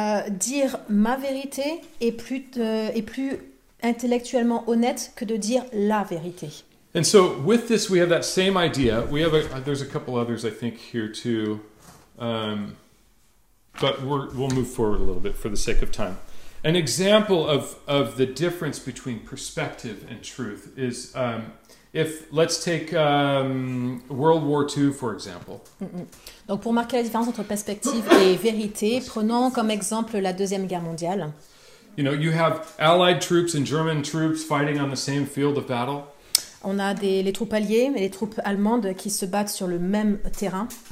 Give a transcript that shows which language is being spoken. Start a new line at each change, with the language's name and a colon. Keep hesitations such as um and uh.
French: dire ma vérité est plus, euh, est plus intellectuellement honnête que de dire la vérité.
English: And so with this, we have that same idea. We have a, there's a couple others I think here too, um, but we will move forward a little bit for the sake of time. An example of, of the difference between perspective and truth is um, if let's take um, World War II for example. Mm -hmm.
French: Donc pour marquer la différence entre perspective et vérité, prenons comme exemple la deuxième guerre mondiale.
English: You know, you have Allied troops and German troops fighting on the same field of battle.
French: On a des, les troupes alliées et les troupes allemandes qui se battent sur le même terrain.